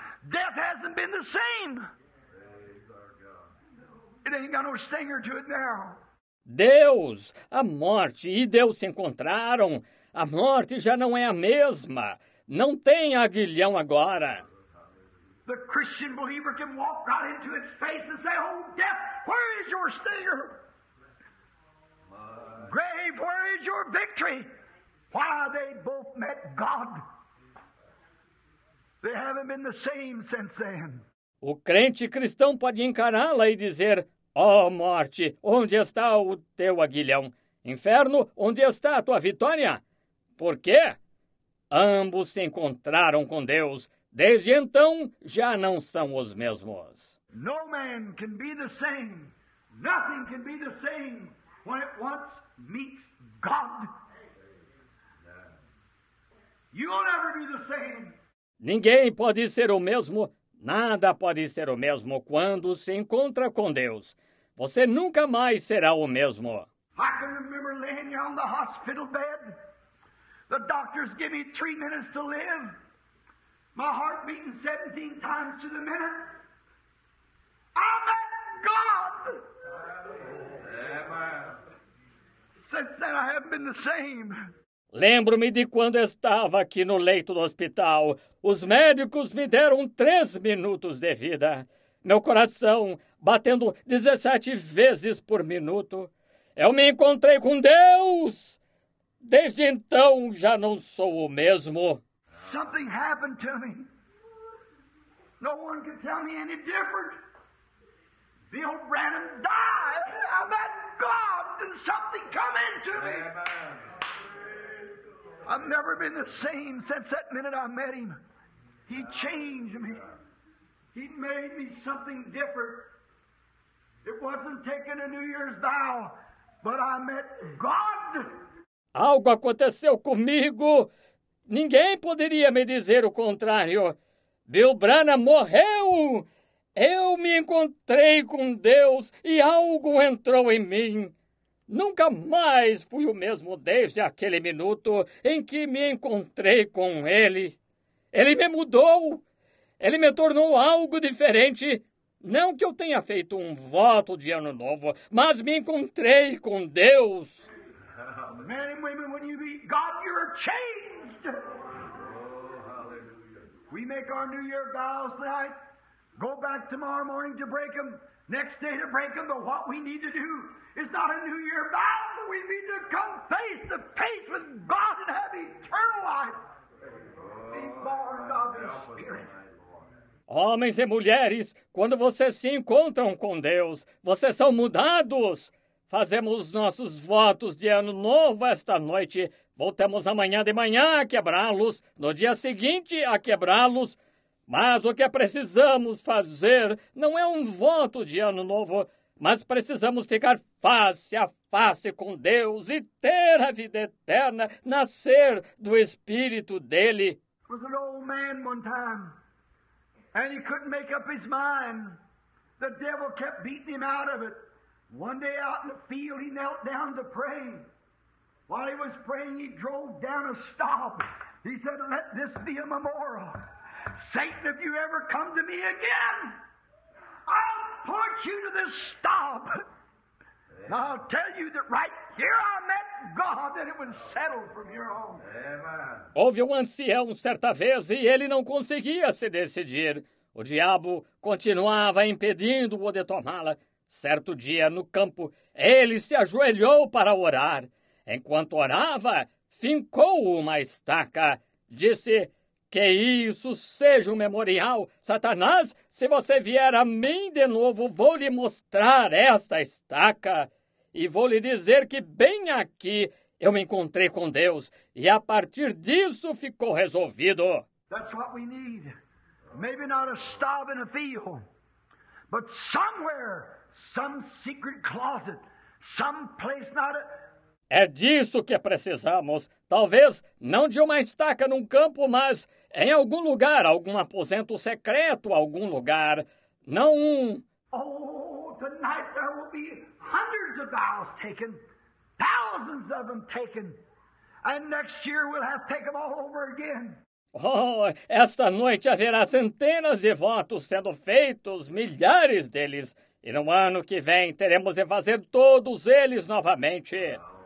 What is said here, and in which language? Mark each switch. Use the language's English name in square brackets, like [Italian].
[English] Death hasn't been the same. It ain't got no stinger to it now. [Portuguese] Deus, a morte e Deus se encontraram. A morte já não é a mesma. Não tem aguilhão agora. [English] The Christian believer can walk right into its face and say, oh, death, where is your stinger? Grave, where is your victory? Why, they both met God. They haven't been the same since then. [Portuguese] O crente cristão pode encará-la e dizer, oh, morte, onde está o teu aguilhão? Inferno, onde está a tua vitória? Por quê? Ambos se encontraram com Deus. Desde então, já não são os mesmos. [English] No man can be the same. Nothing can be the same when it once meets God. You'll never be the same. [Portuguese] Ninguém pode ser o mesmo, nada pode ser o mesmo quando se encontra com Deus. Você nunca mais será o mesmo. [English] I can remember laying here on the hospital bed. The doctors give me 3 minutes to live. My heart beating 17 times to the minute. I met God. Amen. Since then I haven't been the same. [Portuguese] Lembro-me de quando estava aqui no leito do hospital. Os médicos me deram 3 minutos de vida. Meu coração batendo 17 vezes por minuto. Eu me encontrei com Deus. Desde então, já não sou o mesmo. [English] Something happened to me. No one can tell me any different. The old Branham died. I met God and something come into me. I've never been the same since that minute I met him. He changed me. He made me something different. It wasn't taking a New Year's vow, but I met God. [Portuguese] Algo aconteceu comigo. Ninguém poderia me dizer o contrário. Bill Branham morreu. Eu me encontrei com Deus e algo entrou em mim. Nunca mais fui o mesmo desde aquele minuto em que me encontrei com ele. Ele me mudou. Ele me tornou algo diferente. Não que eu tenha feito um voto de ano novo, mas me encontrei com Deus. [English] Men and women, when you meet God, you're changed. Oh, hallelujah. We make our New Year vows tonight. Go back tomorrow morning to break them. Next day to break them. But what we need to do is not a New Year vow. We need to come face to face with God and have eternal life. Be born of the Spirit. [Portuguese] Homens e mulheres, quando vocês se encontram com Deus, vocês são mudados. Fazemos nossos votos de ano novo esta noite. Voltamos amanhã de manhã a quebrá-los, no dia seguinte a quebrá-los. Mas o que precisamos fazer não é um voto de ano novo, mas precisamos ficar face a face com Deus e ter a vida eterna, nascer do Espírito dele. [English] Was an old man one time. And he couldn't make up his mind. The devil kept beating him out of it. One day out in the field, he knelt down to pray. While he was praying, he drove down a stop. He said, let this be a memorial. Satan, if you ever come to me again, I'll put you to this stop. And I'll tell you that right here I met God, that it was settled from here on. [Portuguese] Houve um ancião certa vez e ele não conseguia se decidir. O diabo continuava impedindo-o de tomá-la. Certo dia, no campo, ele se ajoelhou para orar. Enquanto orava, fincou uma estaca. Disse, que isso seja um memorial. Satanás, se você vier a mim de novo, vou lhe mostrar esta estaca. E vou lhe dizer que bem aqui eu me encontrei com Deus. E a partir disso ficou resolvido. [English] That's what we need. Maybe not a stop in a field, but somewhere. Some secret closet, some place not a... [Portuguese] É disso que precisamos. Talvez não de uma estaca num campo, mas em algum lugar, algum aposento secreto, algum lugar. Não um... [English] Oh, tonight there will be hundreds of vows taken, thousands of them taken, and next year we'll have to take them all over again. [Portuguese] Oh, esta noite haverá centenas de votos sendo feitos, milhares deles. E no ano que vem, teremos de fazer todos eles novamente.